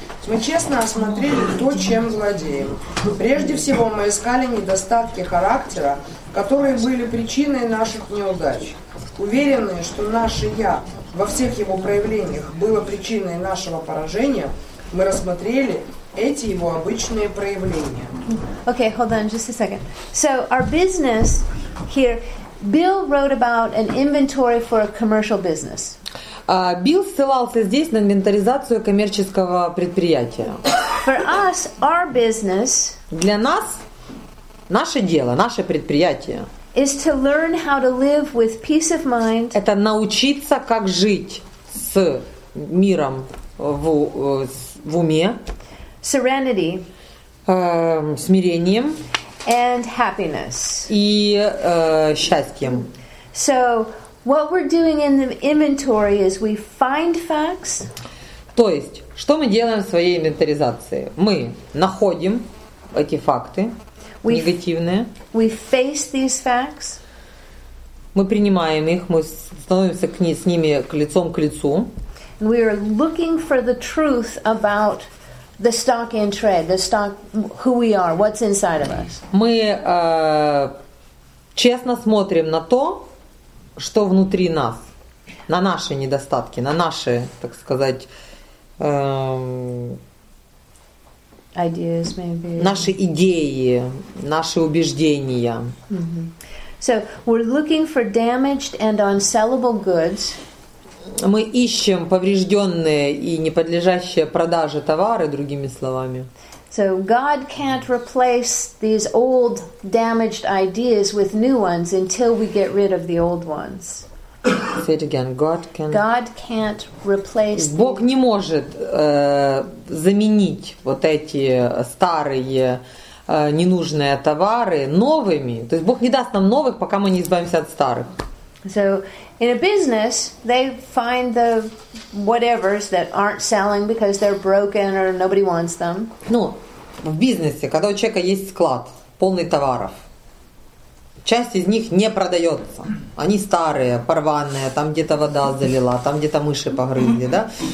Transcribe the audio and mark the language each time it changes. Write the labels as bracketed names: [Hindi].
[Russian] Мы честно осмотрели то, чем владеем. Прежде всего, мы искали недостатки характера, которые были причиной наших неудач. Уверенные, что наше «я» во всех его проявлениях было причиной нашего поражения, мы рассмотрели эти его обычные проявления. [English] Okay, hold on just a second. So, our business here, Bill wrote about an inventory for a commercial business. [Russian] Билл ссылался здесь на инвентаризацию коммерческого предприятия. [English] For us, our business, [Russian] для нас, наше дело, наше предприятие, [English] is to learn how to live with peace of mind, [Russian] это научиться, как жить с миром в уме, [English] serenity, [Russian] смирением [English] and happiness. [Russian] И счастьем. [English] So, what we're doing in the inventory is we find facts. [Russian] То есть, что мы делаем в своей инвентаризации? Мы находим эти факты негативные. [English] We face these facts. [Russian] Мы принимаем их, мы становимся с ними лицом к лицу. [English] And we are looking for the truth about the stock in trade, the stock, who we are, what's inside of us. [Russian] Мы честно смотрим на то, что внутри нас. на наши недостатки, на наши, так сказать, [English] ideas maybe. [Russian] Наши идеи, наши убеждения. Mm-hmm. [English] So we're looking for damaged and unsellable goods. [Russian] Мы ищем поврежденные и не подлежащие продаже товары, другими словами. [English] So God can't replace these old damaged ideas with new ones until we get rid of the old ones. Say it again. God can't replace. [Russian] Бог не может заменить вот эти старые ненужные товары новыми. То есть Бог не даст нам новых, пока мы не избавимся от старых. [English] So in a business, they find the whatevers that aren't selling because they're broken or nobody wants them. [Russian] Ну, в бизнесе, когда у человека есть склад полный товаров, часть из них не продается. Они старые, порванные, там где-то вода залила, там где-то мыши погрызли, да?